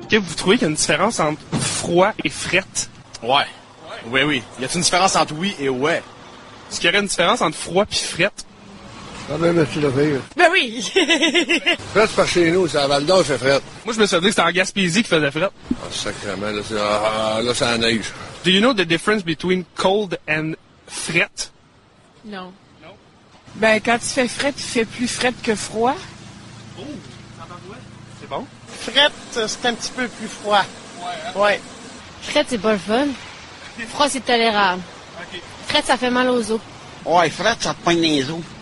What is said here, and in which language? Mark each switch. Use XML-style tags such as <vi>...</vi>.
<fr>Que vous trouvez qu'il y a une différence entre froid et frette? Ouais. Ouais. Oui, oui. Y a-t-il une différence entre oui et ouais? Est-ce qu'il y aurait une différence entre froid et frette? Ah ben, merci de rire. Ben oui! Frette par chez nous, c'est à Val-d'Or, il fait frette. Moi, je me souviens que c'était en Gaspésie qui faisait frette. Ah, oh, sacrément, là, c'est... Ah, là, c'est la neige.</fr> <en>Do you know the difference between cold and fret?</en> <fr>Non. Non. Ben, quand tu fais fret, tu fais plus fret que froid. Oh, c'est bon. Fret, c'est un petit peu plus froid. Ouais. Ouais. Fret, c'est pas le fun. Froid, c'est tolérable. Okay. Fret, ça fait mal aux os. Ouais, fret, ça te poigne les os.</fr>